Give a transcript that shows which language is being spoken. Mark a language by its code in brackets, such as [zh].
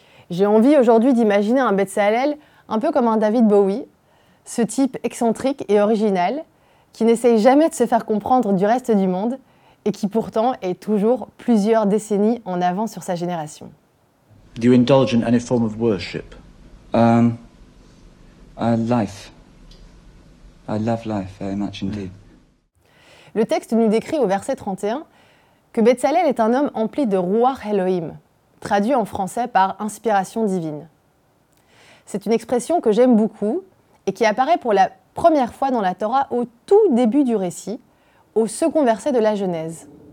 [fr] J'ai envie aujourd'hui d'imaginer un Bezalel un peu comme un David Bowie, ce type excentrique et original, qui n'essaye jamais de se faire comprendre du reste du monde et qui pourtant est toujours plusieurs décennies en avant sur sa génération. [en] Do you indulge in any form of worship? Life. I love life very much indeed. [fr] Le texte nous décrit au verset 31 que Bezalel est un homme empli de Ruach Elohim, traduit en français par « inspiration divine ». C'est une expression que j'aime beaucoup et qui apparaît pour la première fois dans la Torah au tout début du récit, au second verset de la Genèse.